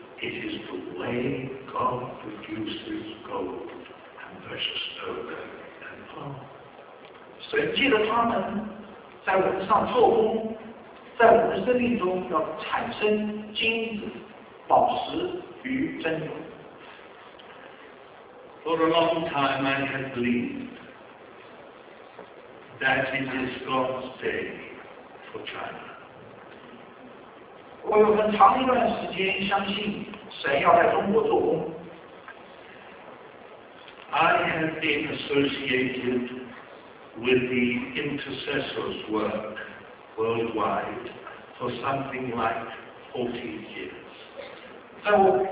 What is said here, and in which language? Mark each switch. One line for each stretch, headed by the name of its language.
English: It is the way God produces gold and precious silver and pearls.
Chinese: 神借着他们，在我们上做工，在我们生命中要产生金子、宝石与珍珠。
English: For a long time, I have believed that it is God's day for China.
Chinese: 我有很长一段时间相信。
English: I have been associated with the intercessors' work worldwide for something like 40 years.